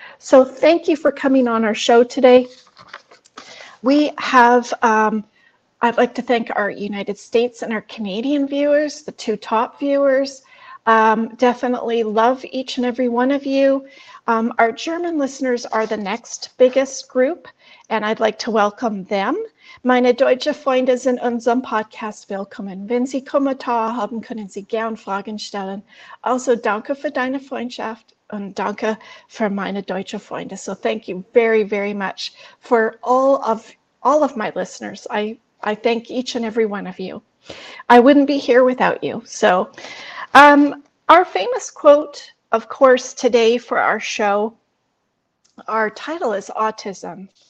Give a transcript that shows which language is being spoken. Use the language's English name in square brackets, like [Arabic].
[English] So thank you for coming on our show today. We have... I'd like to thank our United States and our Canadian viewers, the two top viewers. Definitely love each and every one of you. Our German listeners are the next biggest group, and I'd like to welcome them. [German] Meine deutsche Freunde sind in unserem Podcast willkommen. Wenn Sie Kommentare haben, können Sie gern Fragen stellen. Also danke für deine Freundschaft und danke für meine deutsche Freunde. [English] So thank you very, very much for all of my listeners. I thank each and every one of you. I wouldn't be here without you. So our famous quote, of course, today for our show, our title is Autism.